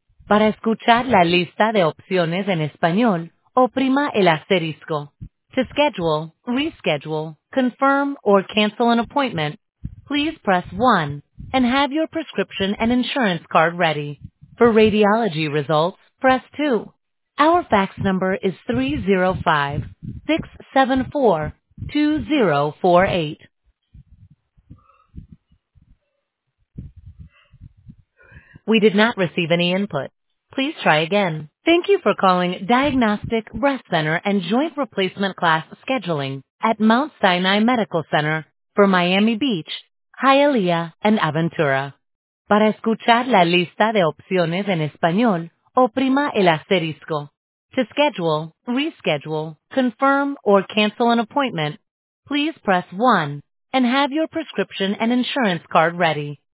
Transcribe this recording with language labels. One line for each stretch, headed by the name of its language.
Spanish: Para escuchar la lista de opciones en español, oprima el asterisco.
English: To schedule, reschedule, confirm, or cancel an appointment, please press 1 and have your prescription and insurance card ready. For radiology results, press 2. Our fax number is 305-674-2048. We did not receive any input. Please try again. Thank you for calling Diagnostic Breast Center and Joint Replacement Class Scheduling at Mount Sinai Medical Center for Miami Beach, Hialeah, and Aventura.
Spanish: Para escuchar la lista de opciones en español, oprima el asterisco.
English: To schedule, reschedule, confirm, or cancel an appointment, please press 1 and have your prescription and insurance card ready.